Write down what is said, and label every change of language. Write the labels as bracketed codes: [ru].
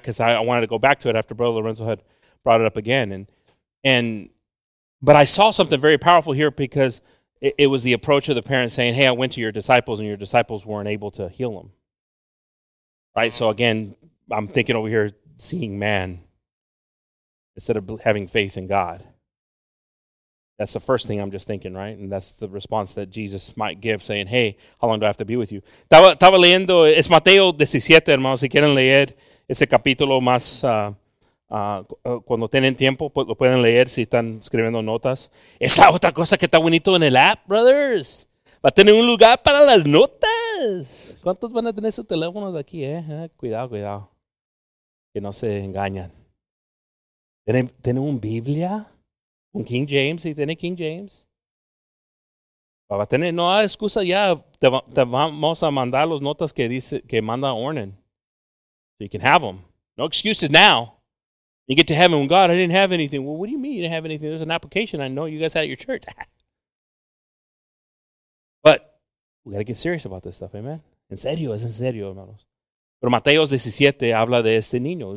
[en] Because I wanted to go back to it after Brother Lorenzo had brought it up again, but I saw something very powerful here because it was the approach of the parents saying, "Hey, I went to your disciples, and your disciples weren't able to heal them." Right? So again, I'm thinking over here, seeing man instead of having faith in God. That's the first thing I'm just thinking, right? And that's the response that Jesus might give, saying, "Hey, how long do I have to be with you?" [es] Estaba leyendo, es Mateo 17, hermanos, si quieren leer ese capítulo más. Cuando tienen tiempo, lo pueden leer si están escribiendo notas. Esa otra cosa que está bonito en el app, brothers. Va a tener un lugar para las notas. ¿Cuántos van a tener su teléfono de aquí, Cuidado, cuidado. Que no se engañan. ¿Tienen una Biblia? ¿Un King James? ¿Sí tiene King James? Va a tener, no hay excusa ya. Te vamos a mandar las notas que manda Ornan. [en] So you can have them. No excuses now. You get to heaven, well, God, I didn't have anything. Well, what do you mean you didn't have anything? There's an application I know you guys had at your church. But we got to get serious about this stuff, amen? [es] En serio, es en serio, hermanos. Pero Mateo 17 habla de este niño.